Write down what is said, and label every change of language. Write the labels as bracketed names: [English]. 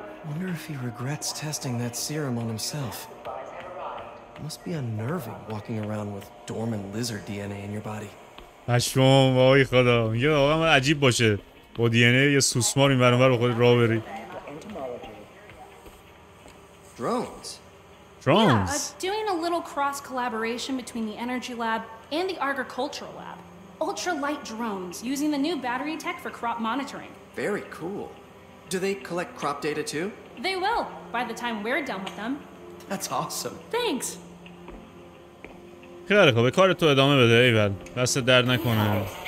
[English] Wonder if he regrets testing that serum on himself. Must be unnerving walking around with dormant lizard DNA in your body. [Persian] هشمام وای خدا یه آقا عجیب باشه با دی ان ای یه سوسمار این برانور به خودت راه بری. [English] Drones. Drones. Yeah, doing a little cross collaboration between the energy lab and the agricultural lab. Ultra light drones using the new battery tech for crop monitoring. Very cool. Do they collect crop data too? They will, by the time we're done with them. That's awesome. Thanks. [Persian] خیلی خوب، به کار تو ادامه بده ایول، بس درد نکنه.